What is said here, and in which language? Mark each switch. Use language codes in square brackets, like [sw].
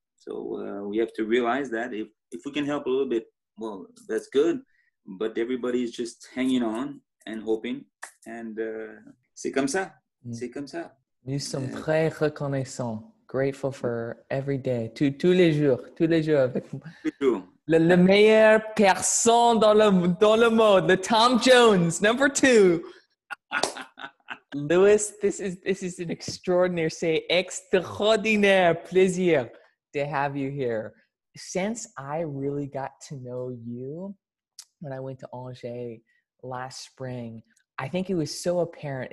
[en] So we have to realize that if we can help a little bit, well, that's good. But everybody is just hanging on and hoping. [fr] And c'est comme ça. C'est comme ça. Nous sommes très reconnaissants, [en] grateful for every day, [fr] tous les jours. Avec le meilleur personne dans le monde, le Tom Jones, [en] number two. Louis, this is an extraordinary, say [fr] extraordinaire plaisir [en] to have you here. Since I really got to know you when I went to Angers last spring, I think it was so apparent.